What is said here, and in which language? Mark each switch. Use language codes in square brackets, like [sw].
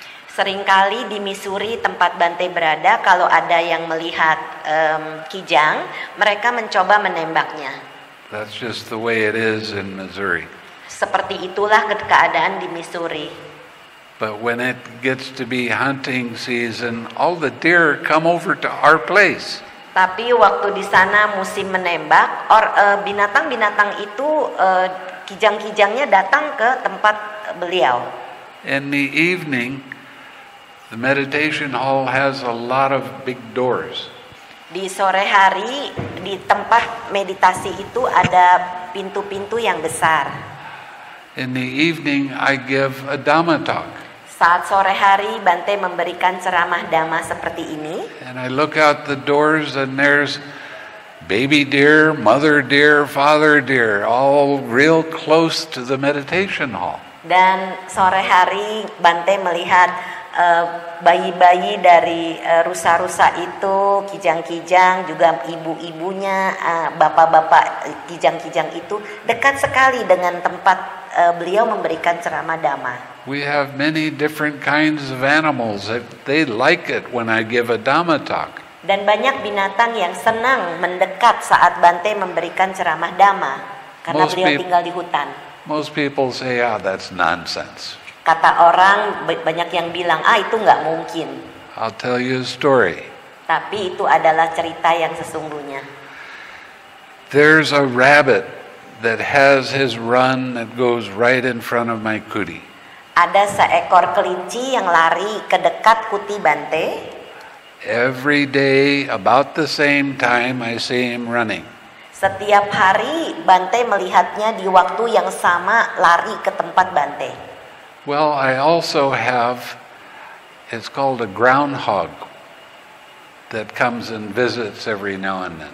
[id] Seringkali di Missouri tempat Bante berada, kalau ada yang melihat kijang, mereka mencoba menembaknya. [en] That's just the way it is in Missouri. [id] Seperti itulah keadaan di Missouri. [en] But when it gets to be hunting season, all the deer come over to our place. [id] Tapi waktu di sana musim menembak, binatang-binatang itu kijang-kijangnya datang ke tempat beliau. [en] In the evening, the meditation hall has a lot of big doors. [id] Di sore hari di tempat meditasi itu ada pintu-pintu yang besar. [en] In the evening I give a Dhamma talk. [id] Saat sore hari Bante memberikan ceramah Dhamma seperti ini. [en] And I look out the doors and there's baby deer, mother deer, father deer, all real close to the meditation hall. [id] Dan sore hari Bante melihat bayi-bayi dari rusa-rusa itu, kijang-kijang, juga ibu-ibunya, bapak-bapak kijang-kijang itu dekat sekali dengan tempat beliau memberikan ceramah Dhamma. [en] We have many different kinds of animals. They like it when I give a Dhamma talk. [id] Dan banyak binatang yang senang mendekat saat Bante memberikan ceramah Dhamma karena most beliau tinggal di hutan. [en] Most people say, "Ah, oh, that's nonsense." [id] Kata orang, banyak yang bilang, ah itu gak mungkin. [en] I'll tell you a story. [id] Tapi itu adalah cerita yang sesungguhnya. [en] There's a rabbit that has his run that goes right in front of my kuti. [id] Ada seekor kelinci yang lari ke dekat kuti Bante. [en] Every day, about the same time, I see him running. [id] Setiap hari, Bante melihatnya di waktu yang sama lari ke tempat Bante. [en] Well, I also have, it's called a groundhog. that comes and visits every now and then.